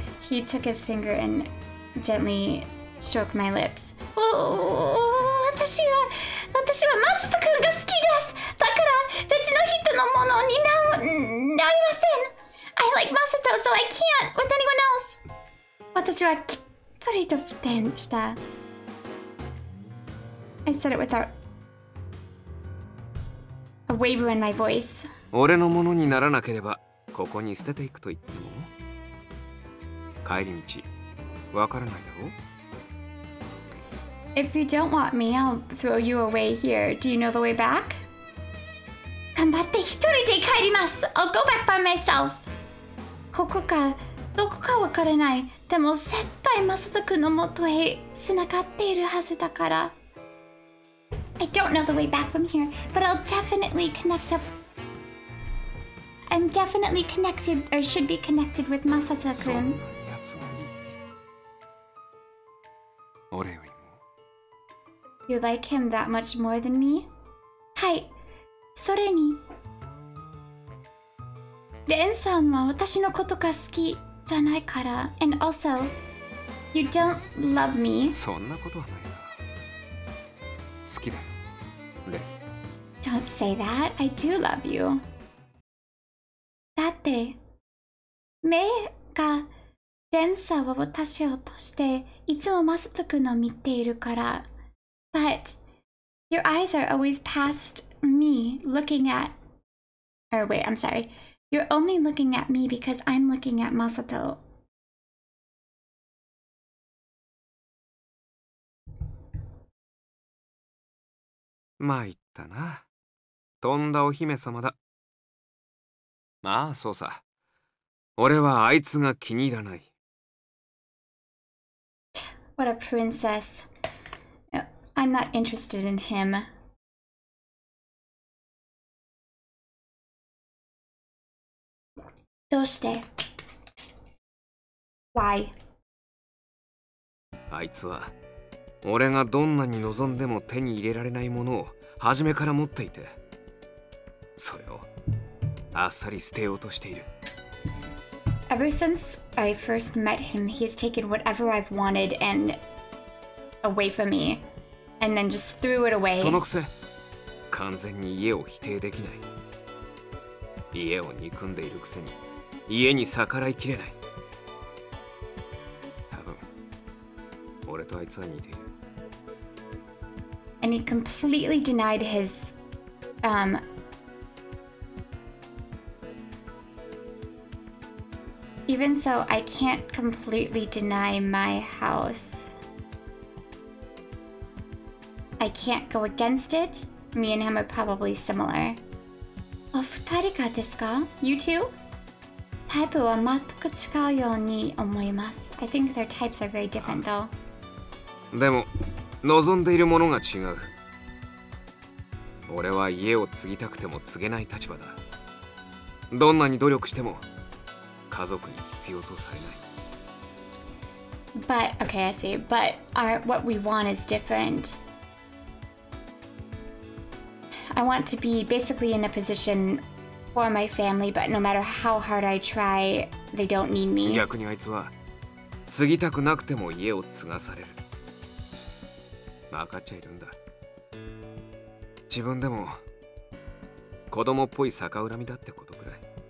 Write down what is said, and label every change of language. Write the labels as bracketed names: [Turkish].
[English] He took his finger and gently stroked my lips. [Japanese] Oh, 私はマスト君が好きです。だから別の人のものにななりません。 [English] I like Masato, so I can't with anyone else. [Japanese] 私はきっぱりと不転した。 [English] I said it without a waver in my voice. [Japanese] 俺のものにならなければここに捨てていくと言っても帰り道わからないだろう。 [English] If you don't want me, I'll throw you away here. Do you know the way back? [Japanese] 頑張って一人で帰ります! [English] I'll go back by myself! [Japanese] ここか、どこかわからない。でも絶対マサト君の元へ繋がっているはずだから。 [English] I don't know the way back from here, but I'll definitely connect up... I'm definitely connected, or should be connected with マサト君。 [Japanese] そんなやつも。俺より。 [English] You like him that much more than me? [Japanese] はい、それに。レンさんは私のことが好きじゃないから。 [English] And also, you don't love me? [Japanese] そんなことはないさ。好きだよ、レン。 [English] Don't say that. I do love you. [Japanese] だって、目がレンさんは私を通していつもマサト君を見ているから。 [English] But your eyes are always past me looking at. Or wait, I'm sorry. You're only looking at me because I'm looking at Masato. [Japanese] まいったな。とんだお姫様だ。まあそうさ。俺はあいつが気に入らない。 [English] What a princess. I'm not interested in him. [Japanese] どうして? [English] Why? [Japanese] あいつは俺がどんなに望んでも手に入れられないものを初めから持っていて、それをあっさり捨てようとしている。 [English] Ever since I first met him, he's taken whatever I've wanted and away from me, and then just threw it away. [Japanese] そのくせ、完全に家を否定できない。家を憎んでいるくせに、家に逆らいきれない。多分、俺とあいつは似ている。 [English] And he completely denied his, Even so, I can't completely deny my house. I can't go against it. Me and him are probably similar. [Japanese] お二人がですか? [English] You two? [Japanese] タイプは全く違うように思います。 [English] I think their types are very different, though. [Japanese] でも、望んでいるものが違う。俺は家を継ぎたくても継げない立場だ。どんなに努力しても、家族に必要とされない。 [English] But, okay, I see. But what we want is different. I want to be basically in a position for my family, but no matter how hard I try, they don't need me. [Japanese] 逆にあいつは、継ぎたくなくても家を継がされる。分かっちゃいるんだ。自分でも、子供っぽい逆恨みだってことくらい。